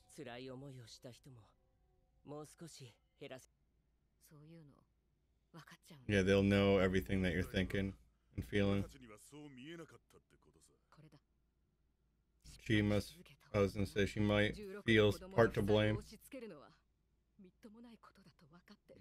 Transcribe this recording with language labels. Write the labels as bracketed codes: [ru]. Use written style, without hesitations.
[ja] 辛い思いをした人ももう少し減らす。そういうの分かっちゃう。 [en] Yeah, they'll know everything that you're thinking and feeling. [ja] 私たちにはそう見えなかったってことさ。これだ。 [en] She must, I was gonna say, she might feel part to blame. [ja] 押し付けるのはみっともないことだと分かってる。